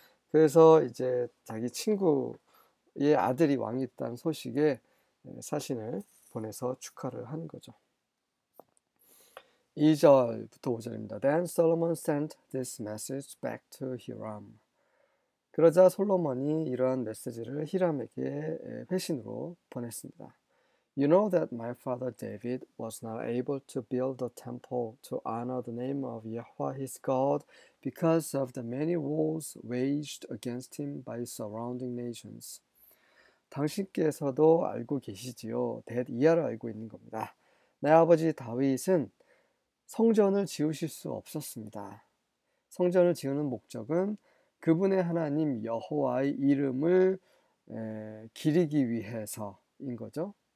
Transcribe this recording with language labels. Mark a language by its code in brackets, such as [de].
[ko] 그래서 이제 자기 친구의 아들이 왕이 있다는 소식에 사신을 보내서 축하를 한 거죠. 2절부터 5절입니다. [en] Then Solomon sent this message back to Hiram. [ko] 그러자 솔로몬이 이러한 메시지를 히람에게 회신으로 보냈습니다. [en] You know that my father David was not able to build the temple to honor the name of Yahweh his God because of the many wars waged against him by surrounding nations. [ko] 당신께서도 알고 계시지요. 이하를 알고 있는 겁니다. 내 아버지 다윗은 성전을 지으실 수 없었습니다. 성전을 지으는 목적은 그분의 하나님 여호와의 이름을 기리기 위해서인 거죠.